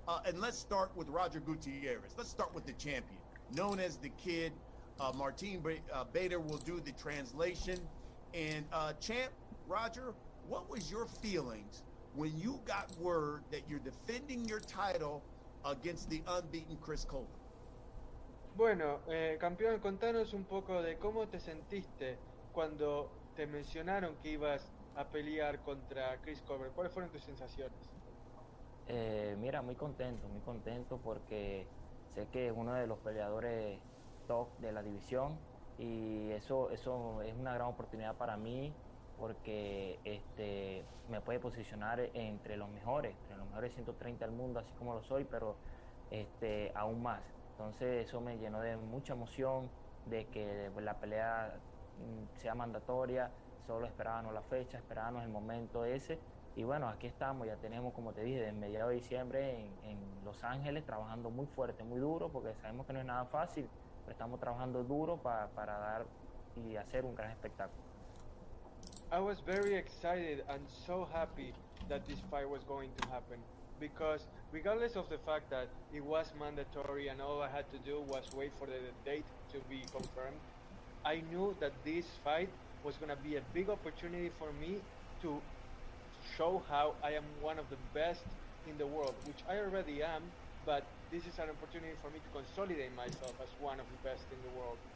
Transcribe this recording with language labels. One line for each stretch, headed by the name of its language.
English: And let's start with Roger Gutierrez. Let's start with the champion, known as the Kid. Martin Bader will do the translation. And champ, Roger, what was your feelings when you got word that you're defending your title against the unbeaten Chris Colbert?
Spanish: Bueno, campeón, contanos un poco de cómo te sentiste cuando te mencionaron que ibas a pelear contra Chris Colbert. ¿Cuáles fueron tus sensaciones? Mira, muy contento porque sé que es uno de los peleadores top de la división y eso es una gran oportunidad para mí porque me puede posicionar entre los mejores 130 del mundo, así como lo soy, pero aún más. Entonces eso me llenó de mucha emoción, de que la pelea sea mandatoria. Solo esperábamos la fecha, esperábamos el momento ese. Y bueno, aquí estamos, ya tenemos, como te dije, desde mediados de diciembre en Los Ángeles, trabajando muy fuerte, muy duro, porque sabemos que no es nada fácil, pero estamos trabajando duro para dar y hacer un gran espectáculo.
English: I was very excited and so happy that this fight was going to happen, because regardless of the fact that it was mandatory and all I had to do was wait for the date to be confirmed, I knew that this fight was going to be a big opportunity for me to show how I am one of the best in the world, which I already am, but this is an opportunity for me to consolidate myself as one of the best in the world.